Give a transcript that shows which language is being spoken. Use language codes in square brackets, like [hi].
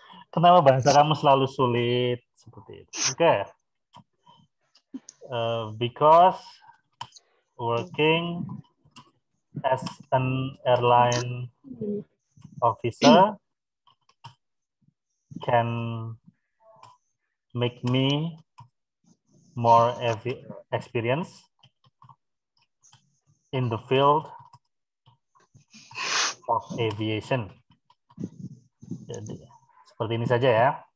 [id] Kenapa bahasa kamu selalu sulit? seperti itu. Oke. Okay. [en] Because working as an airline officer can make me more experience in the field of aviation. [id] Jadi seperti ini saja ya.